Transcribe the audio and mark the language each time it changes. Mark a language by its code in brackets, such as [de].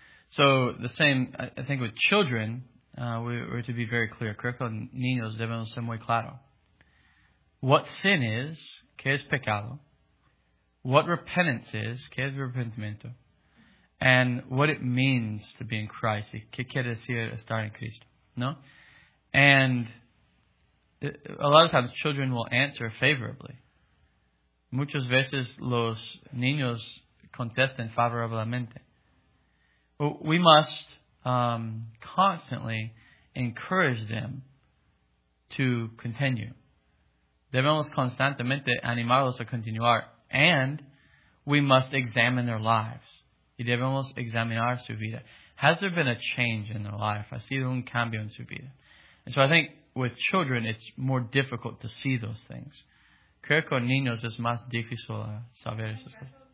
[en] So the same, I think, with children, we're to be very clear. [es] Creo que niños debemos ser muy claro. [en] What sin is, [es] que es pecado. [en] What repentance is, [es] que es arrepentimiento. [en] And what it means to be in Christ. [es] Que quiere decir estar en Cristo. No? [en] And a lot of times children will answer favorably. [es] Muchas veces los niños contestan favorablemente. [en] We must constantly encourage them to continue. [es] Debemos constantemente animarlos a continuar. [en] And we must examine their lives. [es] Y debemos examinar su vida. [en] Has there been a change in their life? [es] ¿Ha sido un cambio en su vida? [en] And so I think with children, it's more difficult to see those things. [es] Creo que con niños es más difícil saber esas cosas.